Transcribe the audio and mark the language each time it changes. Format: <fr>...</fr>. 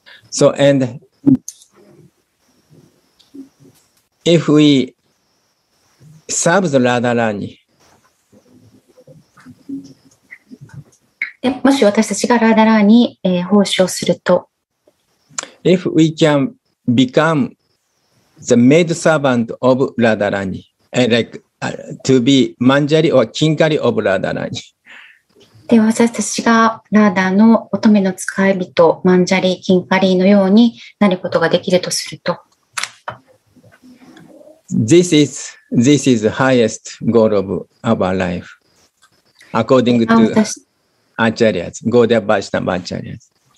<en>So, and if we serve the Radharani,</en> <ja>もし私たちがラダラに、奉仕をすると、</ja> <en>if we can become the maid servant of Radharani, and like, to be Manjari or Kinkari of Radharani.</en> <ja>で私たちがラーダの乙女の使い人マンジャリーキンカリーのようになることができるとすると</ja> <en>This is the highest goal of our life according to Acharyas Gaudiya Vaishnava Acharyas</en>